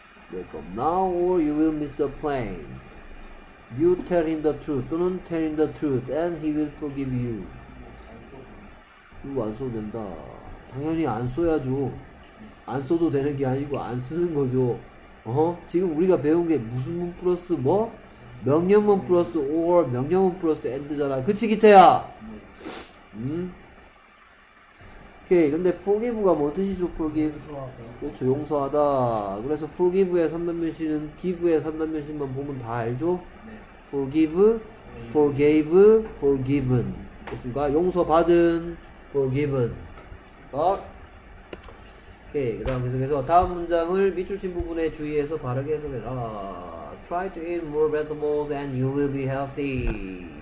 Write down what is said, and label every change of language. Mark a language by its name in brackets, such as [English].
[Korean] 그럼 [English] now or you will miss the plane. You tell him the truth. [Korean] 또는 [English] tell him the truth and he will forgive you. [Korean] 이거 안 써도 된다. 당연히 안 써야죠. 안 써도 되는 게 아니고 안 쓰는 거죠. 어? 지금 우리가 배운 게 무슨 문 플러스 뭐? 명령문 플러스 or 명령문 플러스 end잖아. 그치 기태야? 오케이. 근데 forgive가 뭐 뜻이죠? forgive. 그렇죠. 용서하다. 그래서 forgive의 3단변신은 give의 3단변신만 보면 다 알죠? 네. [English] forgive, forgave, forgiven. [Korean] 됐습니까? 용서받은, forgiven. 어? 오케이. 그 다음 계속해서 다음 문장을 밑줄 친 부분에 주의해서 바르게 해석해라. [English] Try to eat more vegetables and you will be healthy.